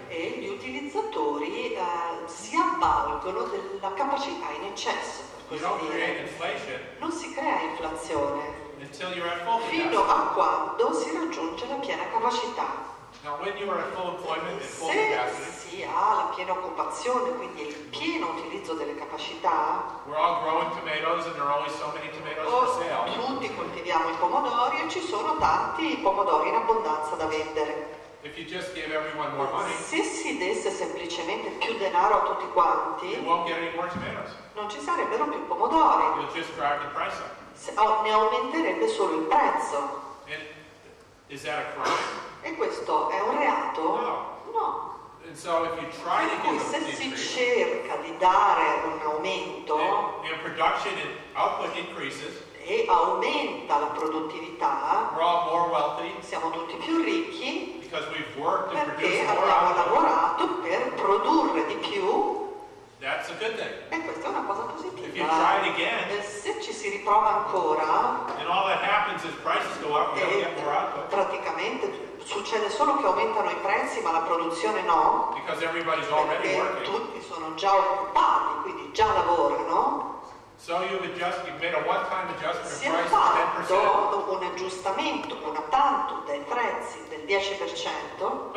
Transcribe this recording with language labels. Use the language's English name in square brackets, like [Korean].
[Italian] E gli utilizzatori si avvalgono della capacità in eccesso, per così dire. [English] Inflation, [Italian] non si crea inflazione [English] until you're at full [Italian] fino a quando si raggiunge la piena capacità. [English] Now, when you are at full employment, [Italian] se [English] full capacity, [Italian] si ha la piena occupazione, quindi il pieno utilizzo delle capacità, [English] we're all growing tomatoes and there are only so many tomatoes for sale. [Italian] Tutti coltiviamo i pomodori e ci sono tanti pomodori in abbondanza da vendere. [English] If you just give everyone more money, [Italian] se si desse semplicemente più denaro a tutti quanti, [English] you won't get any more tomatoes. [Italian] Non ci sarebbero più pomodori. [English] You'll just drive the price up. [Italian] Ne aumenterebbe solo il prezzo. [English] And is that a crime? [Italian] E questo è un reato? [English] No. [Italian] No. [English] And so if you try [Italian] per cui [English] to [Italian] se si cerca di dare un aumento [English] and production and output increases, [Italian] e aumenta la produttività, [English] we're all more wealthy, [Italian] siamo tutti più ricchi [English] because we've worked [Italian] perché [English] and [Italian] abbiamo [English] more [Italian] lavorato [English] output. [Italian] Per produrre di più. [English] That's a good thing. [Italian] E questa è una cosa positiva. [English] If you try it again, [Italian] se ci si riprova ancora, [English] and all that happens is prices go up, we don't get more output. [Italian] Praticamente succede solo che aumentano i prezzi, ma la produzione no. [English] Because everybody's already [Italian] perché [English] working. [Italian] Tutti sono già occupati, quindi già lavorano. [English] So you've made a one-time adjustment [Italian] si è fatto un aggiustamento, un attanto dei prezzi del 10%,